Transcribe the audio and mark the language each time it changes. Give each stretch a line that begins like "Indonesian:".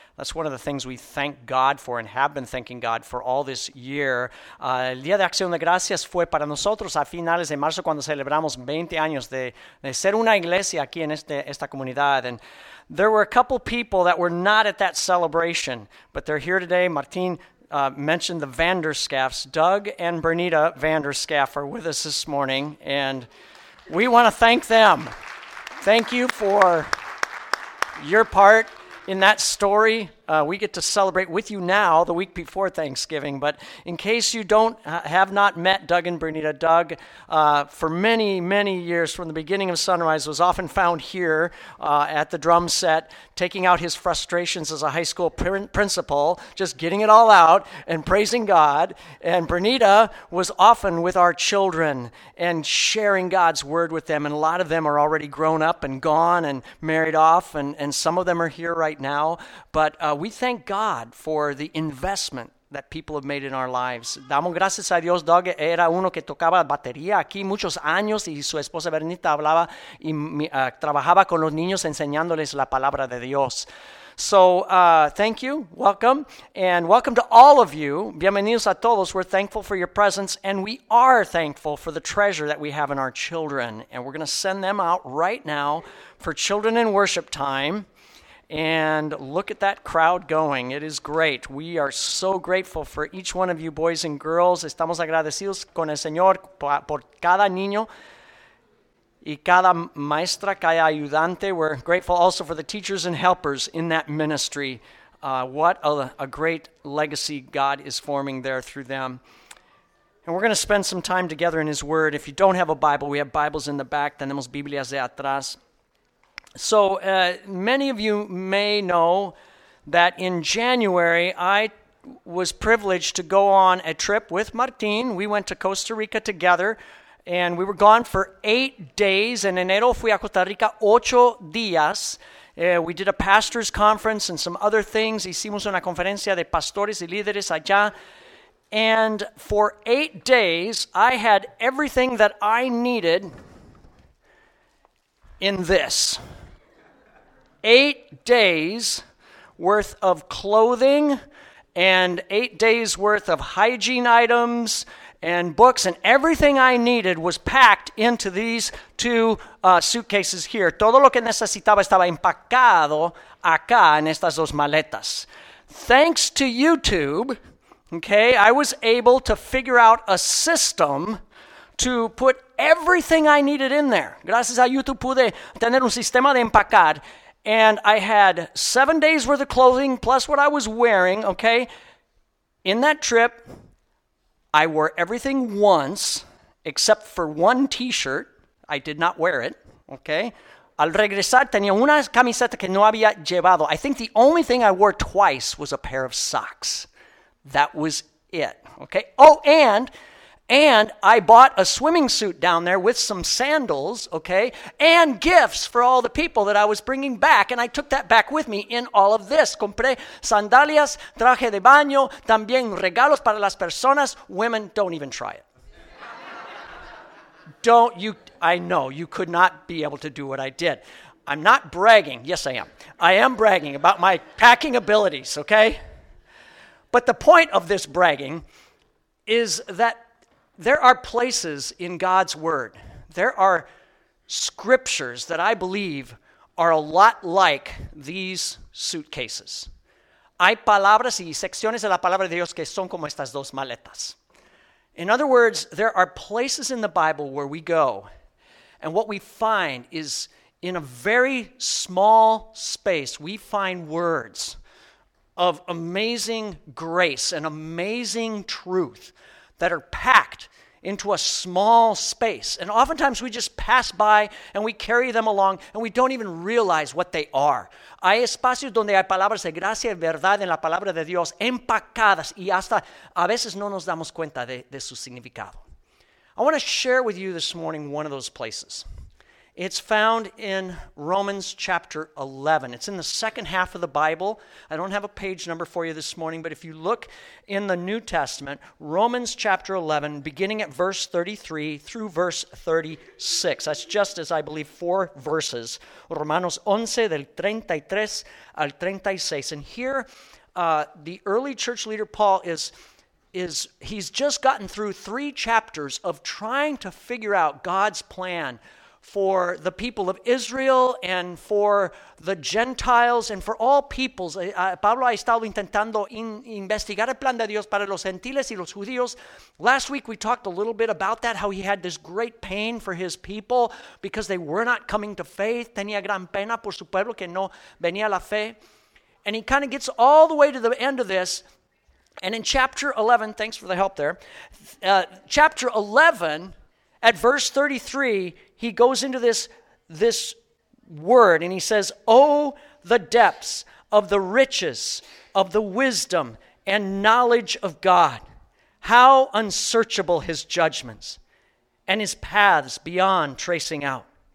English: That's one of the things we thank God for and have been thanking God for all this year.
Spanish: El Día de Acción de Gracias fue para nosotros a finales de marzo cuando celebramos 20 años de ser una iglesia aquí en esta comunidad.
English: And there were a couple people that were not at that celebration, but they're here today. Martin mentioned the Vanderskaffs. Doug and Bernita Vanderskaff are with us this morning, and we want to thank them. Thank you for your part in that story. We get to celebrate with you now, the week before Thanksgiving, but in case you don't have not met Doug and Bernita, Doug, for many, many years from the beginning of Sunrise, was often found here at the drum set, taking out his frustrations as a high school principal, just getting it all out and praising God. And Bernita was often with our children and sharing God's word with them, and a lot of them are already grown up and gone and married off, and some of them are here right now, but we thank God for the investment that people have made in our lives.
Spanish: Damos gracias a Dios. Doug era uno que tocaba batería aquí muchos años, y su esposa Bernita hablaba y trabajaba con los niños enseñándoles la palabra de Dios.
English: So thank you, welcome, and welcome to all of you.
Spanish: Bienvenidos a todos.
English: We're thankful for your presence, and we are thankful for the treasure that we have in our children. And we're going to send them out right now for children in worship time. And look at that crowd going. It is great. We are so grateful for each one of you, boys and girls.
Spanish: Estamos agradecidos con el Señor por cada niño y cada maestra, cada ayudante.
English: We're grateful also for the teachers and helpers in that ministry. What a great legacy God is forming there through them. And we're going to spend some time together in His Word. If you don't have a Bible, we have Bibles in the back.
Spanish: Tenemos Biblias de atrás.
English: So, many of you may know that in January, I was privileged to go on a trip with Martin. We went to Costa Rica together, and we were gone for 8 days.
Spanish: En enero fui a Costa Rica 8 días.
English: We did a pastor's conference and some other things.
Spanish: Hicimos una conferencia de pastores y líderes allá.
English: And for 8 days, I had everything that I needed in this. 8 days worth of clothing and 8 days worth of hygiene items and books, and everything I needed was packed into these two suitcases here.
Spanish: Todo lo que necesitaba estaba empacado acá en estas dos maletas.
English: Thanks to YouTube, okay, I was able to figure out a system to put everything I needed in there.
Spanish: Gracias a YouTube pude tener un sistema de empacar.
English: And I had 7 days worth of clothing plus what I was wearing, okay? In that trip, I wore everything once except for one t-shirt. I did not wear it, okay?
Spanish: Al regresar tenía una camiseta que no había llevado.
English: I think the only thing I wore twice was a pair of socks. That was it, okay? Oh, and I bought a swimming suit down there with some sandals, okay, and gifts for all the people that I was bringing back, and I took that back with me in all of this.
Spanish: Compré sandalias, traje de baño, también regalos para las personas.
English: Women, don't even try it. Don't you, I know, you could not be able to do what I did. I'm not bragging. Yes, I am. I am bragging about my packing abilities, okay? But the point of this bragging is that there are places in God's Word, there are scriptures that I believe are a lot like these suitcases.
Spanish: Hay palabras y secciones de la palabra de Dios que son como estas dos maletas.
English: In other words, there are places in the Bible where we go, and what we find is in a very small space, we find words of amazing grace and amazing truth that are packed into a small space. And oftentimes we just pass by and we carry them along and we don't even realize what they are.
Spanish: Hay espacios donde hay palabras de gracia y verdad en la palabra de Dios empacadas y hasta a veces no nos damos cuenta de su significado.
English: I want to share with you this morning one of those places. It's found in Romans chapter 11. It's in the second half of the Bible. I don't have a page number for you this morning, but if you look in the New Testament, Romans chapter 11, beginning at verse 33 through verse 36. That's just, as I believe, four verses.
Spanish: Romanos 11, del 33 al 36.
English: And here, the early church leader, Paul, he's just gotten through three chapters of trying to figure out God's plan for the people of Israel and for the Gentiles and for all peoples.
Spanish: Pablo ha estado intentando investigar el plan de Dios para los gentiles y los judíos.
English: Last week we talked a little bit about that, how he had this great pain for his people because they were not coming to faith.
Spanish: Tenía gran pena por su pueblo que no venía la fe.
English: And he kind of gets all the way to the end of this. And in chapter 11, thanks for the help there. Chapter 11, at verse 33, he goes into this word and he says, "Oh, the depths of the riches of the wisdom and knowledge of God, how unsearchable his judgments and his paths beyond tracing out.